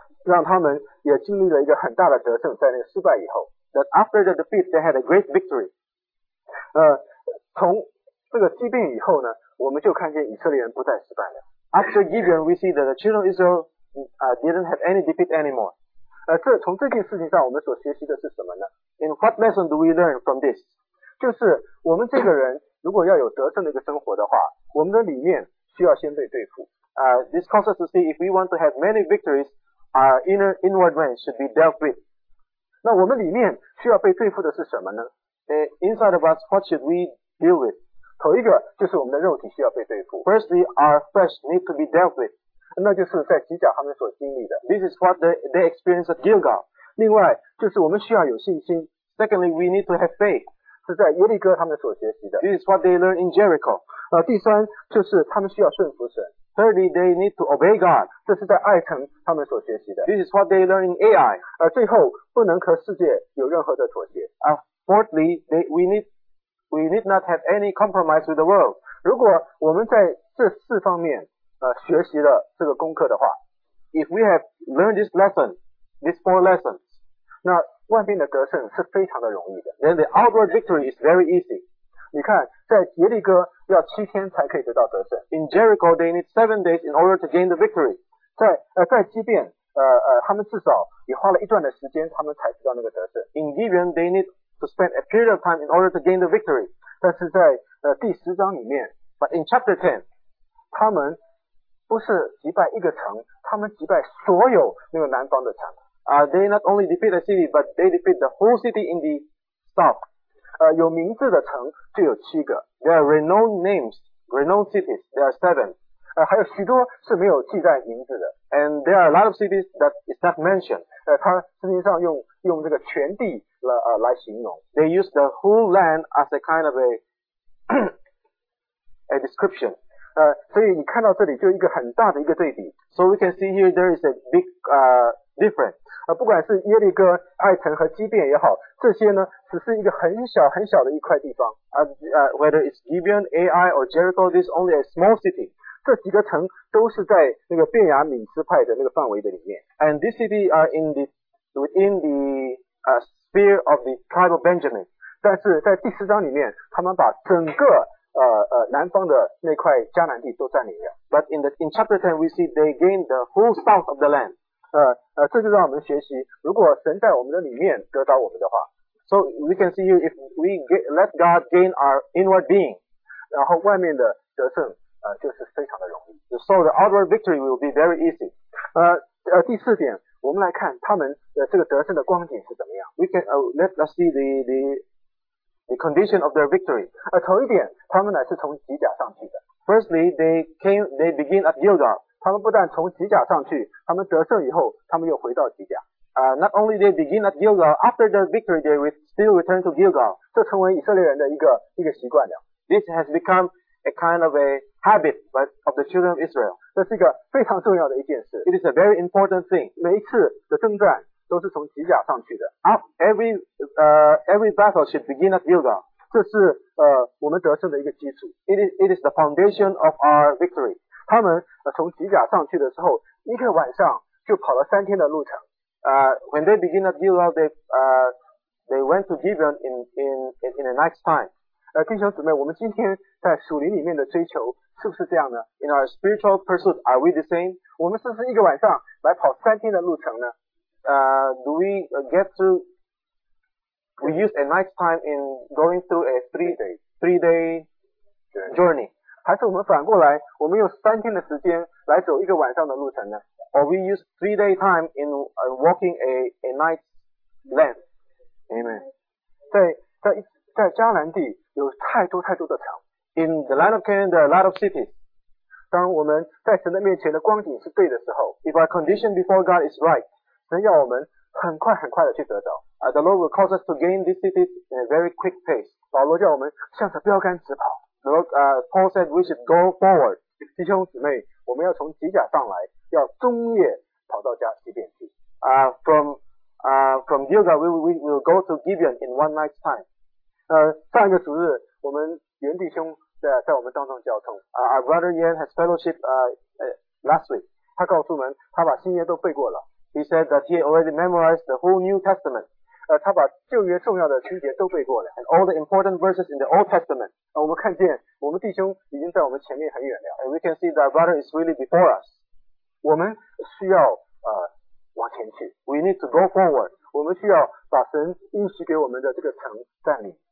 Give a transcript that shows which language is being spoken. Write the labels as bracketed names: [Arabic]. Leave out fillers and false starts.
[Chinese] 让他们也经历了一个很大的得胜，在那个失败以后。 [English] That after the defeat, they had a great victory. [Chinese] 从这个击败以后呢，我们就看见以色列人不再失败了。 [English] After Gibeon, we see that the children of Israel didn't have any defeat anymore. [Chinese] 从这件事情上，我们所学习的是什么呢？ [English] In what lesson do we learn from this? [Chinese] 就是我们这个人如果要有得胜的一个生活的话，我们的理念需要先被对付。 [English] This causes us to see if we want to have many victories, our inward man should be dealt with. [Chinese] 那我们里面需要被对付的是什么呢？ [English] Inside of us, what should we deal with? [Chinese] 头一个就是我们的肉体需要被对付。 [English] Firstly, our flesh needs to be dealt with. [Chinese] 那就是在基甲他们所经历的。 [English] This is what they experienced at Gilgal. [Chinese] 另外就是我们需要有信心。 [English] Secondly, we need to have faith. [Chinese] 是在耶利哥他们所学习的。 [English] This is what they learned in Jericho. [Chinese] 第三就是他们需要顺服神。 [English] Thirdly, they need to obey God. [Chinese] 这是在爱城他们所学习的。 [English] This is what they learn in AI. [Chinese] 最后不能和世界有任何的妥协。 [English] Fourthly, we need not have any compromise with the world. [Chinese] 如果我们在这四方面学习了这个功课的话 ， [English] If we have learned this lesson, these four lessons, [Chinese] 那外面的得胜是非常的容易的。 [English] Then the outward victory is very easy. [Chinese] 你看，在耶利哥要七天才可以得到得胜。 [English] In Jericho, they need 7 days in order to gain the victory. [Chinese] 在基甸，他们至少也花了一段的时间，他们才得到那个得胜。 [English] In Gibeon, they need to spend a period of time in order to gain the victory. [Chinese] 但是在第十章里面 ， [English] But in chapter 10, [Chinese] 他们不是击败一个城，他们击败所有那个南方的城。 [English] They not only defeat a city, but they defeat the whole city in the south. [Chinese] 有名字的城就有七个。 [English] There are renowned names, renowned cities, there are 7. [Chinese] 还有许多是没有记在名字的。 [English] And there are a lot of cities that is not mentioned. [Chinese] 它实际上用这个全地来形容。 [English] They use the whole land as a kind of a description. [Chinese] 所以你看到这里就一个很大的一个对比。 [English] So we can see here there is a big difference. [Chinese] 不管是耶利哥、爱城和基甸也好，这些呢只是一个很小很小的一块地方。 [English] Whether it's Gibeon, Ai, or Jericho, this is only a small city. [Chinese] 这几个城都是在那个便雅悯支派的那个范围的里面。 [English] And this city are within the sphere of the tribe of Benjamin. [Chinese] 但是在第十章里面，他们把整个南方的那块迦南地都占领了。 [English] But in chapter 10, we see they gained the whole south of the land. [Chinese] 这就让我们学习，如果神在我们的里面得到我们的话 ， [English] So we can see here if we let God gain our inward being， [Chinese] 然后外面的得胜就是非常的容易。 [English] So the outward victory will be very easy。 [Chinese] 第四点，我们来看他们这个得胜的光景是怎么样。 [English] We can let's see the condition of their victory。 [Chinese] 头一点，他们乃是从基甲上去的。 [English] Firstly, they begin at Gilgal。 [Chinese] 他们不但从基甲上去，他们得胜以后，他们又回到基甲。 [English] Not only they begin at Gilgal, after the victory they still return to Gilgal. [Chinese] 这成为以色列人的一个习惯了。 [English] This has become a kind of a habit of the children of Israel. [Chinese] 这是一个非常重要的一件事。 [English] It is a very important thing. [Chinese] 每一次的征战都是从基甲上去的。 [English] Every battle should begin at Gilgal. [Chinese] 这是我们得胜的一个基础。 [English] It is the foundation of our victory. [Chinese] 他们从基甲上去的时候，一个晚上就跑了三天的路程。 [English] When they begin at Gilgal, they went to Gibeon in the next time. [Chinese] 弟兄姊妹，我们今天在属灵里面的追求是不是这样呢 ？ [English] In our spiritual pursuit, are we the same? [Chinese] 我们是不是一个晚上来跑三天的路程呢 ？ [English] Do we get to? We use a night time in going through a three day journey. [Chinese] 还是我们反过来，我们用三天的时间来走一个晚上的路程呢 ？ [English] Or we use 3 day time in walking a night length? Amen. [Chinese] 在迦南地有太多太多的城。 [English] In the land of Canaan, there are a lot of cities. [Chinese] 当我们在神的面前的光景是对的时候 ， [English] If our condition before God is right, [Chinese] 神要我们很快很快的去得到。 [English] The Lord will cause us to gain these cities in a very quick pace. [Chinese] 保罗叫我们向着标杆直跑。 [English] Paul said we should go forward. [Chinese] 弟兄姊妹，我们要从基甲上来，要终夜跑到基甸去。 [English] From Gilgal we will go to Gibeon in one night's time. [Chinese] 上一个主日，我们袁弟兄在我们当中交通。 [English] Our brother Yan has fellowship last week. [Chinese] 他告诉我们，他把新约都背过了。 [English] He said that he already memorized the whole New Testament. [Chinese] 他把旧约重要的经节都背过了。 [English] And all the important verses in the Old Testament. [Chinese] 我们看见我们弟兄已经在我们前面很远了。 [English] And we can see that our brother is really before us. [Chinese] 我们需要往前去。 [English] We need to go forward. [Chinese] 我们需要把神应许给我们的这个城占领。